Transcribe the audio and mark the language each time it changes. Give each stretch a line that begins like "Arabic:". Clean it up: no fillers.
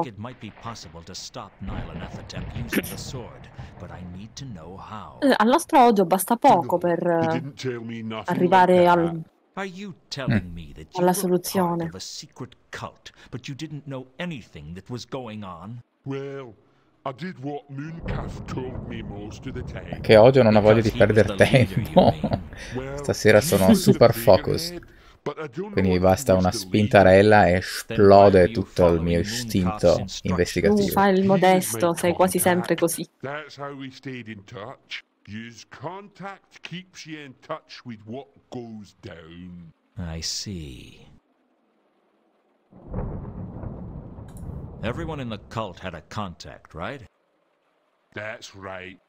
English: I think it might be possible to stop Nyilanethotep using the sword, but I need to know how.
Italian: Al nostro odio basta poco per arrivare al...
English: Are you telling me that you were part of a secret cult, but you didn't know anything that was going on? Well, I did what Mooncalf told me most of the time.
Italian: Che odio, non ho voglia di perdere tempo. Stasera sono super focused. Quindi basta una spintarella e esplode tutto il mio istinto investigativo. Fa il modesto, sei quasi sempre così.
English: That's how we stayed in touch. Use contact keeps you in touch with what goes down. I see. Everyone in the cult had a contact, right? That's right.